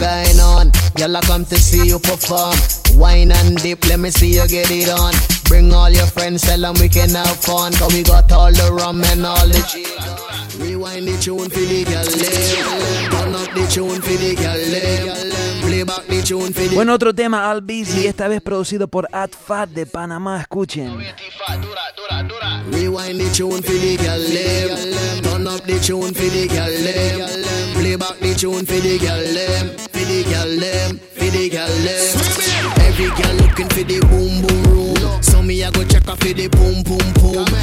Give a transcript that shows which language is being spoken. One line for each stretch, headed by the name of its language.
English: going on? Girl, I come to see you perform. Wine and dip, let me see you get it on. Bring all your friends, tell them we can have fun. Cause we got all the rum and all the cheese. Rewind the tune for the girl, turn up the tune for the girl.
Spanish: Bueno, otro tema, Al Beatty, esta vez producido por Ad Fat de Panamá. Escuchen.
English: Rewind the tune for the girl, turn up the tune for the girl, play back the tune for the girl, for the girl, for the girl. Every girl looking for the boom boom room, so me I go check up for the boom boom boom.